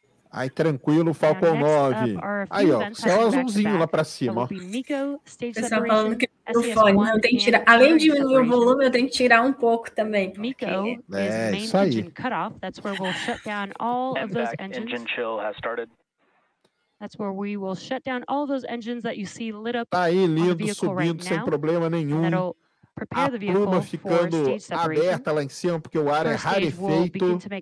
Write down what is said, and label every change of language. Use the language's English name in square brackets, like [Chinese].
[Portuguese] Aí, tranquilo, Falcon 9. Aí, ó, só azulzinho lá pra cima, ó. Pessoal falando que o fone, eu tenho que tirar, além de diminuir o volume, eu tenho que tirar um pouco também. Porque... é, isso aí. [English] That's where we'll shut down all of those engines. Engine chill has started. That's where we will shut down all those engines that you see lit up. [Portuguese] Tá aí, lindo, subindo sem problema nenhum. A pluma ficando aberta lá em cima, porque o ar é rarefeito.